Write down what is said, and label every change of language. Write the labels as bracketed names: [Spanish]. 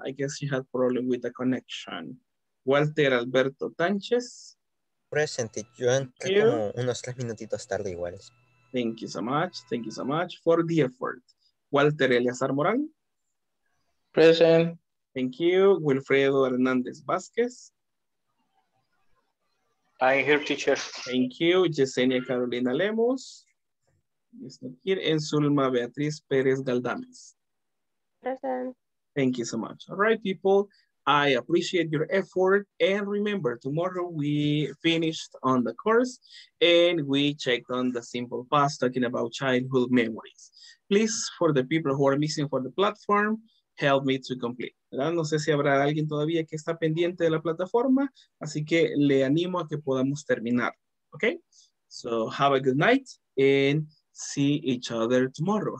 [English] I guess she had a problem with the connection. Walter Alberto Tánchez. Present. [Spanish] Yo entré como unos tres minutitos tarde igual. [English] Thank you so much for the effort. Walter Eleazar Morán. Present. Thank you. Wilfredo Hernández Vázquez. I'm here, teacher. Thank you. Yesenia Carolina Lemos. Yes, not here. And Zulma Beatriz Perez Galdames. Present. Thank you so much. All right, people. I appreciate your effort. And remember, tomorrow we finished on the course and we checked on the simple past talking about childhood memories. Please, for the people who are missing for the platform, help me to complete. [Spanish] ¿Verdad? No sé si habrá alguien todavía que está pendiente de la plataforma, así que le animo a que podamos terminar. [English] Okay? So have a good night and see each other tomorrow.